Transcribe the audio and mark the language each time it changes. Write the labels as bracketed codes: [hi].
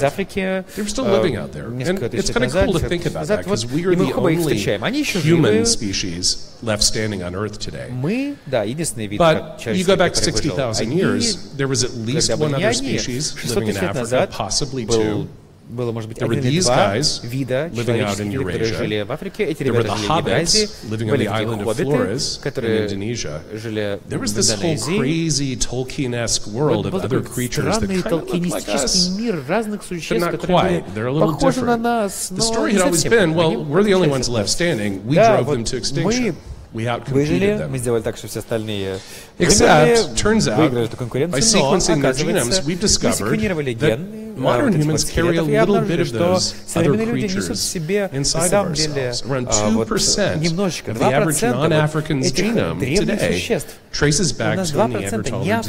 [en] They were still living out there. And it's kind of cool to think about that, because we are the only human species left standing on Earth today. But you go back 60,000 years, there was at least one other species living in Africa, possibly two. [ru] Было, может быть, один или два вида человеческих, которые жили в Африке. Эти ребята жили в Евразии. Были такие хоббиты, которые жили в Индонезии. Был такой странный толкинистический мир разных существ, которые были похожи на нас, но не совсем. Мы были единственными, которые остались. [en] We outcompeted them. Except, turns out, by sequencing their genomes, we've discovered that modern humans carry a little bit of those other creatures inside of ourselves. Around 2% of the average non-African's genome today traces back to the Neanderthal